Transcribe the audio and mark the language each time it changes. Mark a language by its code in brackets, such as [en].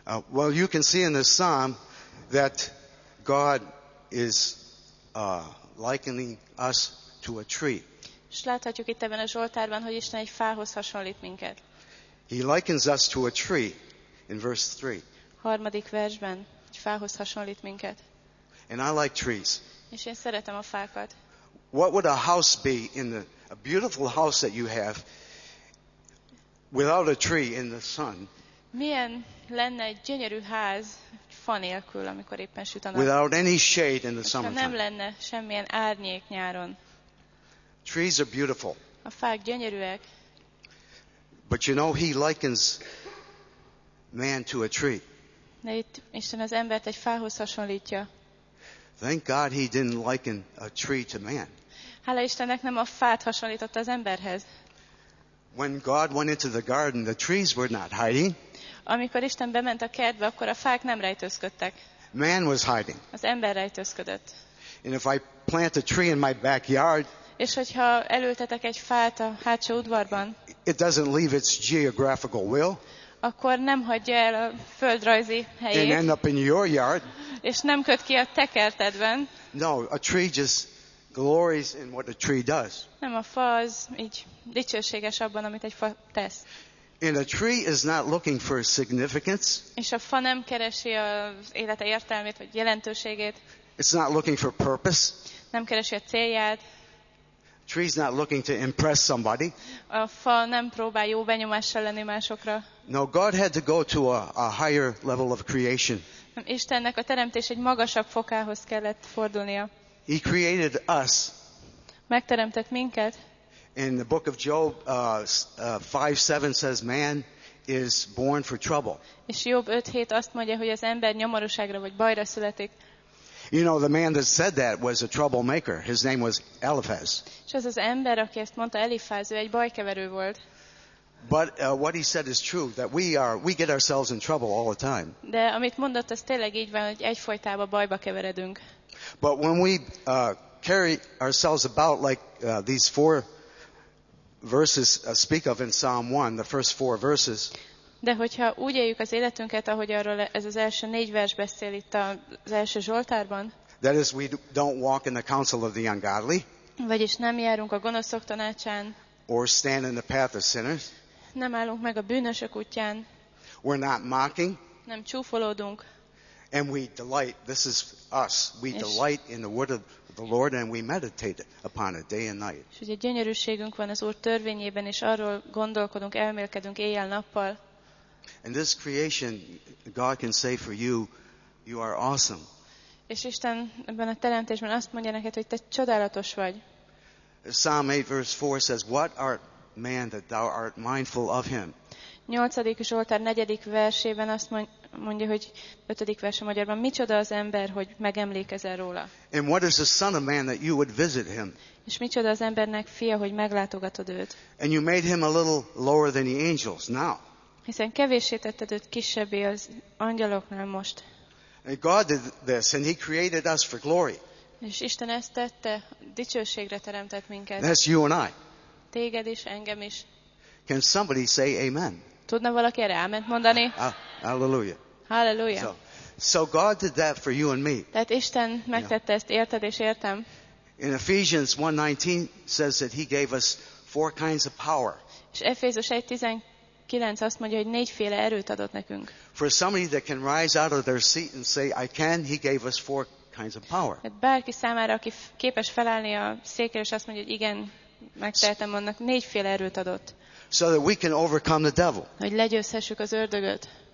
[en] Well, you can see in this psalm that God is likening us to a tree. [hu] És láthatjuk itt ebben a Zsoltárban, hogy Isten egy fához hasonlít minket. [en] He likens us to a tree in verse 3. [hu] Harmadik versben egy fához hasonlít minket. [en] And I like trees. [hu] És én szeretem a fákat. [en] What would a house be in a beautiful house that you have without a tree in the sun. [hu] Milyen lenne egy gyönyörű ház fa nélkül, amikor éppen süt a nap. [en] Without any shade in the summertime. [hu] Nem lenne semmilyen árnyék nyáron. [en] Trees are beautiful. [hu] A fák gyönyörűek. [en] But you know, he likens man to a tree. [hu] De itt Isten az embert egy fához hasonlítja. [en] Thank God he didn't liken a tree to man. [hu] Hála Istennek nem a fát hasonlította az emberhez. [en] When God went into the garden, the trees were not hiding. [hu] Amikor Isten bement a kertbe, akkor a fák nem rejtőzködtek. [en] Man was hiding. [hu] Az ember rejtőzködött. [en] And if I plant a tree in my backyard, [hu] és hogyha elültetek egy fát a hátsó udvarban, [en] it doesn't leave its geographical will, [hu] akkor nem hagyja el a földrajzi helyét, [en] and end up in your yard, [hu] és nem köt ki a te kertedben. [en] No, a tree just glories in what a tree does. [hu] Nem, a fa az így dicsőséges abban, amit egy fa tesz. [en] And a tree is not looking for significance. [hu] És a fa nem keresi az élete értelmét vagy jelentőségét. [en] It's not looking for purpose. [hu] Nem keresi a célját. [en] A tree's not looking to impress somebody. [hu] A fa nem próbál jó benyomással lenni másokra. [en] No, God had to go to a higher level of creation. [hu] Istennek a teremtés egy magasabb fokához kellett fordulnia. [en] He created us. [hu] Megteremtett minket. [en] In the book of Job 5:7 says man is born for trouble. [hu] És Job 5:7 azt mondja, hogy az ember nyomorúságra vagy bajra születik. [en] You know, the man that said that was a troublemaker. His name was Eliphaz. [hu] És az ember, aki ezt mondta, Eliphaz, ő egy bajkeverő volt. [en] But what he said is true, that we get ourselves in trouble all the time. [hu] De amit mondott, az tényleg így van, hogy egyfolytában bajba keveredünk. [en] But when we carry ourselves about like these four verses speak of in Psalm 1, the first four verses. [hu] De hogyha úgy éljük az életünket, ahogy arról ez az első négy vers beszél itt az első Zsoltárban. [en] That is, we don't walk in the counsel of the ungodly. [hu] Vagyis nem járunk a gonoszok tanácsán. [en] Or stand in the path of sinners. [hu] Nem állunk meg a bűnösök útján. [en] We're not mocking. [hu] Nem csúfolódunk. [en] And we delight, this is us, we delight in the word of the Lord and we meditate upon it day and night. [hu] És ugye gyönyörűségünk van az Úr törvényében, és arról gondolkodunk, elmélkedünk éjjel-nappal. [en] And this creation, God can say for you, you are awesome. [hu] És Isten ebben a teremtésben azt mondja neked, hogy te csodálatos vagy. [en] Psalm 8 verse 4 says, what art man that thou art mindful of him? [hu] 8. Zsoltár 4. versében azt mondja, hogy 5. verse magyarban, micsoda az ember, hogy megemlékezel róla. [en] And what is the son of man that you would visit him? [hu] És micsoda az embernek fia, hogy meglátogatod őt. [en] And you made him a little lower than the angels now. [hu] Hiszen kevéssé tetted őt kisebbé az angyaloknál most. [en] And God did this and he created us for glory. [hu] És Isten ezt tette, dicsőségre teremtett minket. [en] That's you and I. [hu] Téged is, engem is. [en] Can somebody say amen? [hu] Tudna valaki erre áment mondani? [en] Hallelujah. [hu] Hallelujah. [en] So God did that for you and me. [hu] Tehát Isten megtette ezt, érted és értem. [en] In Ephesians 1:19 says that he gave us four kinds of power. [hu] És Efézus 1:19 azt mondja, hogy négyféle erőt adott nekünk. [en] For somebody that can rise out of their seat and say, I can, he gave us four kinds of power. [hu] Bárki számára, aki képes felállni a székre, és azt mondja, hogy igen, megtehetem, annak négyféle erőt adott. [en] So that we can overcome the devil. [hu] Hogy legyőzhessük az ördögöt.